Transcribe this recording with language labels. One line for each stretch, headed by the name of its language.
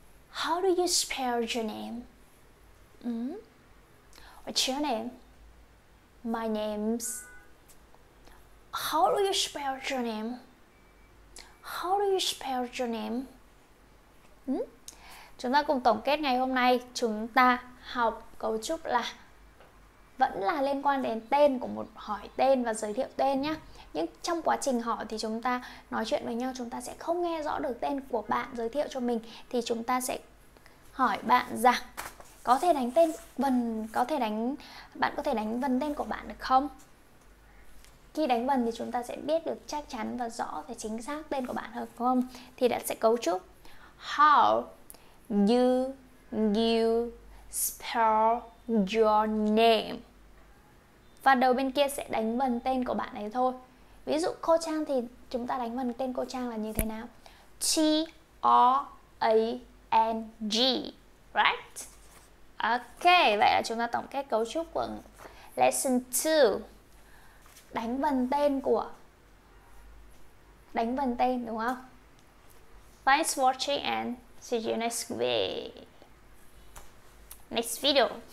English: How do you spell your name? What's your name? My name's... How do you spell your name? How do you spell your name?
Vietnamese: Chúng ta cùng tổng kết ngày hôm nay. Chúng ta học cấu trúc là vẫn là liên quan đến tên của một hỏi tên và giới thiệu tên nhé. Nhưng trong quá trình hỏi thì chúng ta nói chuyện với nhau, chúng ta sẽ không nghe rõ được tên của bạn giới thiệu cho mình. Thì chúng ta sẽ hỏi bạn rằng có thể đánh tên vần, bạn có thể đánh vần tên của bạn được không? Khi đánh vần thì chúng ta sẽ biết được chắc chắn và rõ về chính xác tên của bạn hơn, đúng không? Thì đã sẽ cấu trúc
English: How do you spell your name?
Vietnamese: Và đầu bên kia sẽ đánh vần tên của bạn ấy thôi. Ví dụ cô Trang thì chúng ta đánh vần tên cô Trang là như thế nào?
English: T O A N G, right?
Vietnamese: Ok, vậy là chúng ta tổng kết cấu trúc của lesson 2. Đánh vần tên của đánh vần tên đúng không?
English: Thanks for watching and see you next week. Next video.